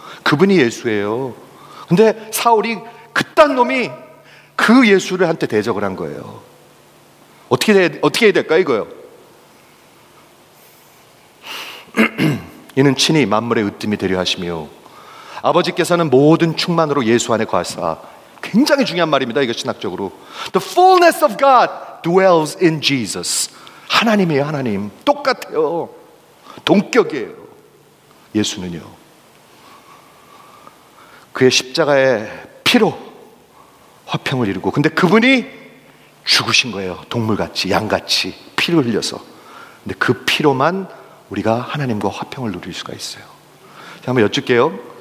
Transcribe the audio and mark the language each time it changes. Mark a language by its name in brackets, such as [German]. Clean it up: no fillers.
[Korean] 그분이 예수예요. 근데 사울이, 그딴 놈이 그 예수를 한테 대적을 한 거예요. 어떻게 해야 될까 이거요. 이는 친히 만물의 으뜸이 되려 하시며 아버지께서는 모든 충만으로 예수 안에 거하사. 굉장히 중요한 말입니다. 이거 신학적으로 [English] The fullness of God dwells in Jesus. [Korean] 하나님이에요. 하나님 똑같아요. 동격이에요. 예수는요, 그의 십자가의 피로 화평을 이루고, 근데 그분이 죽으신 거예요. 동물같이, 양같이 피를 흘려서. 근데 그 피로만 우리가 하나님과 화평을 누릴 수가 있어요. 제가 한번 여쭙게요.